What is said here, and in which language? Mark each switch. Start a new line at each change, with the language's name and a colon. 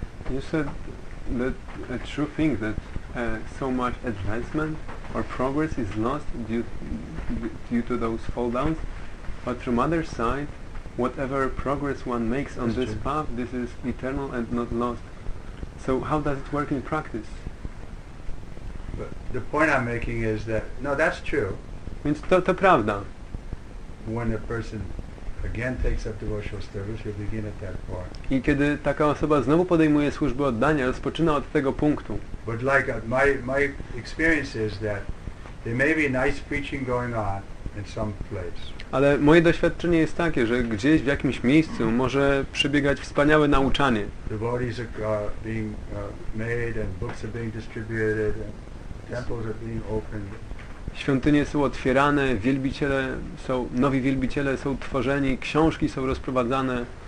English: You said that a true thing that so much advancement or progress is lost due to those fall downs, but from other side, whatever progress one makes on this path, this is eternal and not lost. So how does it work in practice? But the point I'm making is that no, that's true. Means
Polish: to prawda.
English: When a person again takes up devotional service, you begin at that part.
Polish: I kiedy taka osoba znowu podejmuje służbę oddania, rozpoczyna od tego punktu.
English: But like my experience is that there may be nice preaching going on in some place.
Polish: Ale moje doświadczenie jest takie, że gdzieś w jakimś miejscu może przebiegać wspaniałe nauczanie.
English: Devotees are being made and books are being distributed and temples are being opened.
Polish: Świątynie są otwierane, wielbiciele są, nowi wielbiciele są tworzeni, książki są rozprowadzane.